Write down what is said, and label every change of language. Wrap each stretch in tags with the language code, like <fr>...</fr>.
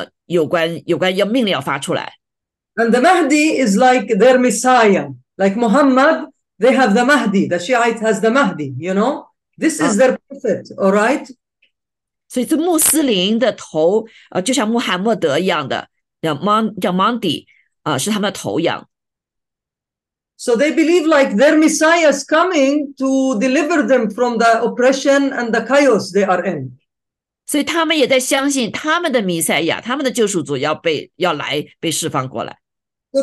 <zh>所以他是借着这个命令发命给他们的他的人，有关要命令要发出来。</zh> <en>And the Mahdi is like their Messiah, like Muhammad. They have the Mahdi. The Shiite has the Mahdi. You know, this is their prophet. All right.</en> <zh>所以这穆斯林的头，就像穆罕默德一样的，叫Mandi，是他们的头一样。</zh> <en>So they believe like their Messiah is coming to deliver them from the oppression and the chaos they are in.</en> <zh>所以他们也在相信他们的弥赛亚，他们的救赎主要被释放过来。</zh> <en>So</en>